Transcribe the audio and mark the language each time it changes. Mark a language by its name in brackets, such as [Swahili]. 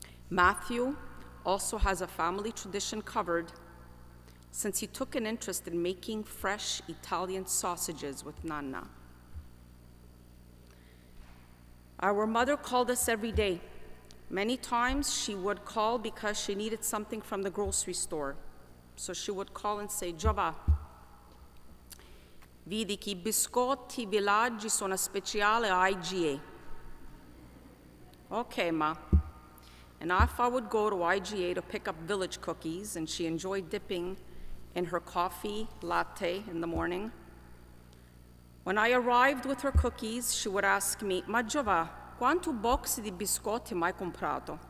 [English] Matthew also has a family tradition covered since he took an interest in making fresh Italian sausages with Nana. Our mother called us every day. Many times she would call because she needed something from the grocery store. So she would call and say, [Italian] Giova, vedi che I biscotti villaggi sono speciale IGA. [English] Okay, ma. And off I would go to IGA to pick up village cookies, and she enjoyed dipping in her coffee latte in the morning. When I arrived with her cookies, she would ask me, [Italian] ma Giova, quanto box di biscotti mai comprato?